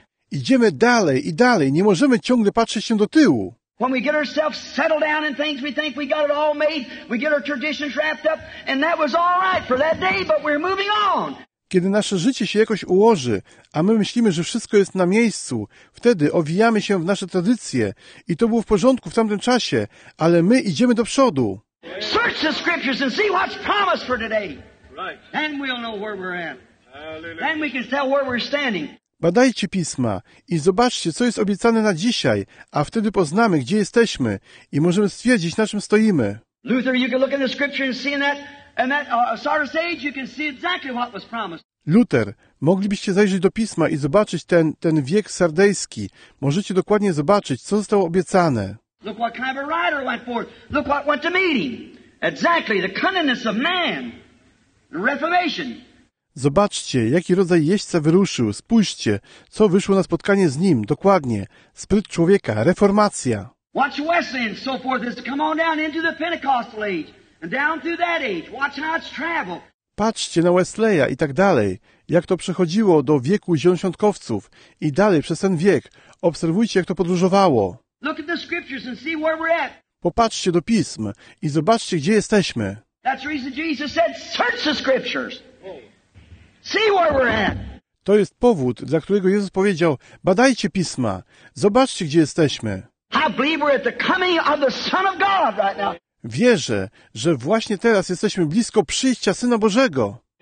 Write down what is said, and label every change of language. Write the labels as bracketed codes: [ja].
[pl] Idziemy dalej i dalej. Nie możemy ciągle patrzeć się do tyłu. [en] When we get ourselves settled down in things, we think we got it all made. We get our traditions wrapped up, and that was all right for that day, but we're moving on. [pl] Kiedy nasze życie się jakoś ułoży, a my myślimy, że wszystko jest na miejscu, wtedy owijamy się w nasze tradycje i to było w porządku w tamtym czasie, ale my idziemy do przodu. [en] Search the scriptures and see what's promised for today. Then we'll know where we're at. Then we can tell where we're standing. [pl] Badajcie Pisma i zobaczcie, co jest obiecane na dzisiaj, a wtedy poznamy, gdzie jesteśmy i możemy stwierdzić, na czym stoimy. [en] Luther, you can look in the scripture and see that. And that Sardis age, you can see exactly what was promised. [pl] Luther, moglibyście zajrzeć do Pisma i zobaczyć ten wiek sardejski. Możecie dokładnie zobaczyć, co zostało obiecane. [en] Look what kind of a rider went forth. Look what went to meeting. Exactly, the cunningness of man. The Reformation. [pl] Zobaczcie, jaki rodzaj jeźdźca wyruszył. Spójrzcie, co wyszło na spotkanie z nim. Dokładnie, spryt człowieka, Reformacja. [en] Watch Wesley and so forth has come on down into the Pentecostal age. And down through that age, watch how it's traveled. [pl] Patrzcie na Wesleya i tak dalej, jak to przechodziło do wieku zielonoświątkowców i dalej przez ten wiek. Obserwujcie, jak to podróżowało. [en] Look at the scriptures and see where we're at. [pl] Popatrzcie do pism i zobaczcie, gdzie jesteśmy. [en] That's the reason Jesus said, search the scriptures. See where we're at. [pl] To jest powód, dla którego Jezus powiedział, badajcie pisma, zobaczcie, gdzie jesteśmy. [en] I believe we're at the coming of the Son of God right now. [pl] Wierzę, że właśnie teraz jesteśmy blisko przyjścia Syna Bożego.